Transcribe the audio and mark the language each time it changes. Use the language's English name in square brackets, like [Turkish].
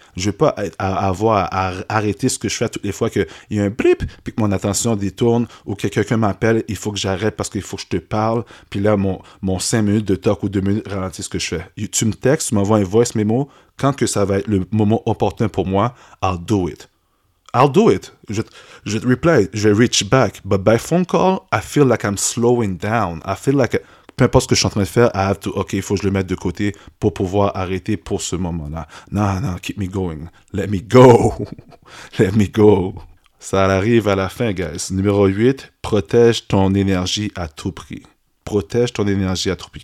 [French] Je ne vais pas avoir à arrêter ce que je fais toutes les fois qu'il y a un blip, puis que mon attention détourne, ou que quelqu'un m'appelle, il faut que j'arrête parce qu'il faut que je te parle, puis là, mon 5 minutes de talk ou 2 minutes ralentit ce que je fais. Tu me textes, tu m'envoies un voice memo, quand que ça va être le moment opportun pour moi, [English] I'll do it. I'll do it. [French] Je vais te [English] reply, [French] je vais [English] reach back. But by phone call, I feel like I'm slowing down. I feel like. [French] Peu importe ce que je suis en train de faire, [English] I have to, OK, [French] il faut que je le mette de côté pour pouvoir arrêter pour ce moment-là. Non, non, [English] keep me going. Let me go. Let me go. [French] Ça arrive à la fin, guys. Numéro 8, protège ton énergie à tout prix. Protège ton énergie à tout prix.